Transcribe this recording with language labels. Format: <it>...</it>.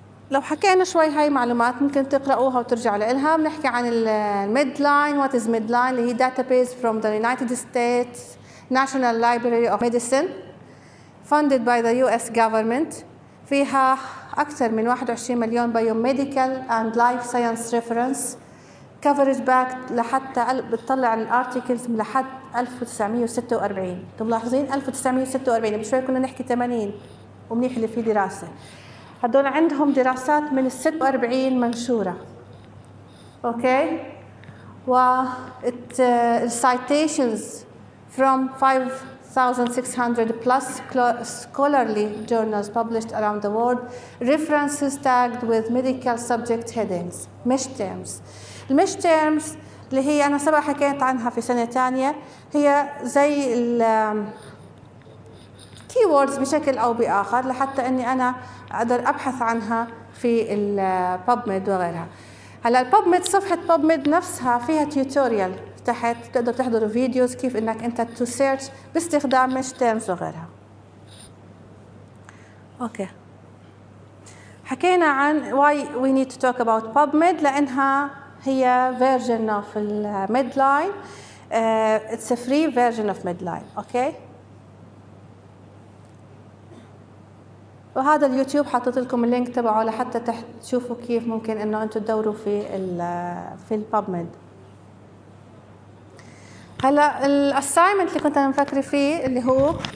<ar>لو حكينا شوي هاي معلومات ممكن تقرأوها وترجعوا لإلها. بنحكي عن الميدلاين.</ar> <en>What is midline</en> <ar>اللي هي</ar> <en>database from the United States National Library of Medicine funded by the US government</en> <ar>فيها أكثر من 21 مليون</ar> <en>biomedical and life science reference coverage back</en> <ar>لحتى بتطلع عن الارتيكلز من لحد 1946. انتم ملاحظين 1946 بشوي كنا نحكي 80 ومنيح اللي في دراسة. هدول عندهم دراسات من 46 منشورة اوكي و</ar> <en>citations from 5,600 plus scholarly journals published around the world, references tagged with medical subject headings, MISH terms.</en> <ar>MISH terms اللي هي أنا سبق حكيت عنها في سنة تانية هي زي ال keywords بشكل أو بآخر لحتى أني أنا أقدر أبحث عنها في ال PubMed وغيرها. هلا ال PubMed صفحة PubMed نفسها فيها tutorial. تحت تقدر تحضر فيديوز كيف انك انت تو سيرش باستخدام مش تيرمز وغيرها. اوكي حكينا عن</ar> <en>why we need to talk about PubMed</en> <ar>لانها هي</ar> <en>version of midline. It's a free version of midline.</en> <ar>اوكي وهذا اليوتيوب حطيت لكم اللينك تبعه لحتى تشوفوا كيف ممكن انه انتم تدوروا في الـ PubMed. هلا الاساينمنت اللي كنت انا مفكر فيه اللي هو</ar>